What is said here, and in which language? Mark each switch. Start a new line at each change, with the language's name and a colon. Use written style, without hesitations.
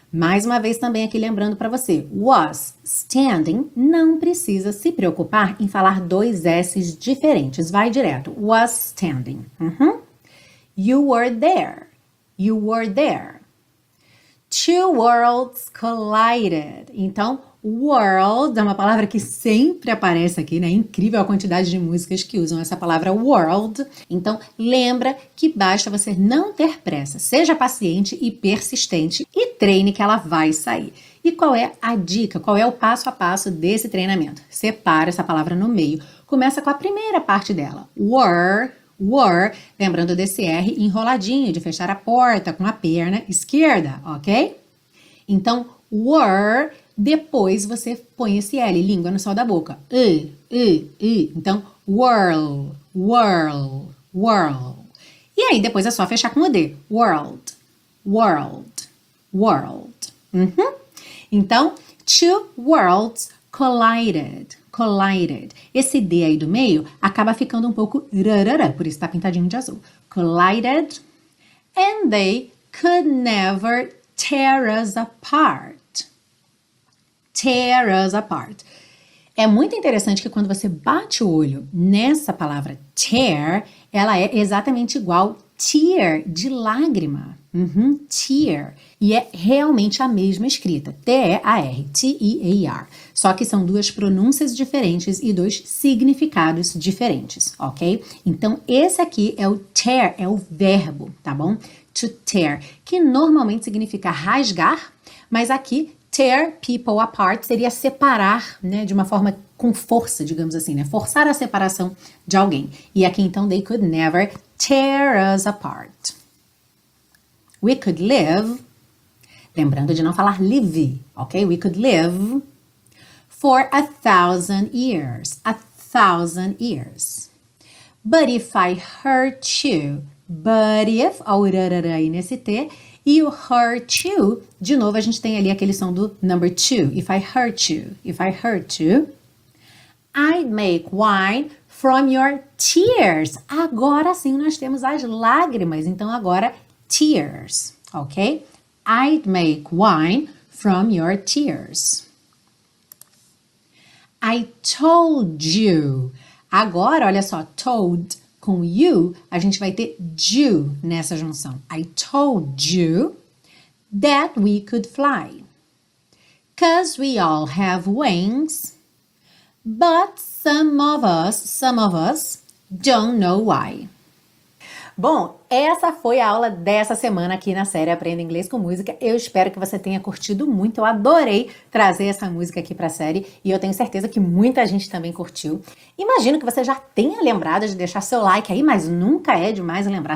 Portuguese: Mais uma vez também aqui lembrando para você,
English: was standing.
Portuguese: Não precisa se preocupar em falar dois S's diferentes. Vai direto,
English: was standing. You were there. You were there. Two worlds collided.
Portuguese: Então, world é uma palavra que sempre aparece aqui, né? Incrível a quantidade de músicas que usam essa palavra world. Então, lembra que basta você não ter pressa. Seja paciente e persistente e treine que ela vai sair. E qual é a dica? Qual é o passo a passo desse treinamento? Separa essa palavra no meio. Começa com a primeira parte dela. Were, lembrando desse R enroladinho, de fechar a porta com a perna esquerda, ok? Então, were. Depois você põe esse L, língua no céu da boca.
English: Então, whirl, whirl, whirl.
Portuguese: E aí depois é só fechar com o D.
English: World, world, world. Então, two worlds collided, collided.
Portuguese: Esse D aí do meio acaba ficando um pouco rarara, por isso tá pintadinho de azul.
English: Collided. And they could never tear us apart. Tear us apart.
Portuguese: É muito interessante que quando você bate o olho nessa palavra tear, ela é exatamente igual tear de lágrima. Tear. E é realmente a mesma escrita. T-E-A-R. T-E-A-R. Só que são duas pronúncias diferentes e dois significados diferentes, ok? Então, esse aqui é o tear, é o verbo, tá bom? To tear. Que normalmente significa rasgar, mas aqui,
English: tear people apart
Portuguese: seria separar, né? De uma forma com força, digamos assim, né? Forçar a separação de alguém.
English: E aqui, então, they could never tear us apart. We could live,
Portuguese: lembrando de não falar live, ok?
English: We could live for 1,000 years, 1,000 years. But if I hurt you, but if,
Portuguese: ó, urarara aí nesse T,
English: you hurt you,
Portuguese: de novo a gente tem ali aquele som do
English: number two, if I hurt you, if I hurt you, I'd make wine from your tears.
Portuguese: Agora sim nós temos as lágrimas, então agora tears. Ok?
English: I'd make wine from your tears. I told you.
Portuguese: Agora, olha só, told com you, a gente vai ter you nessa junção.
English: I told you that we could fly. 'Cause we all have wings, but some of us don't know why.
Portuguese: Bom, essa foi a aula dessa semana aqui na série Aprenda Inglês com Música. Eu espero que você tenha curtido muito. Eu adorei trazer essa música aqui para a série e eu tenho certeza que muita gente também curtiu. Imagino que você já tenha lembrado de deixar seu like aí, mas nunca é demais lembrar.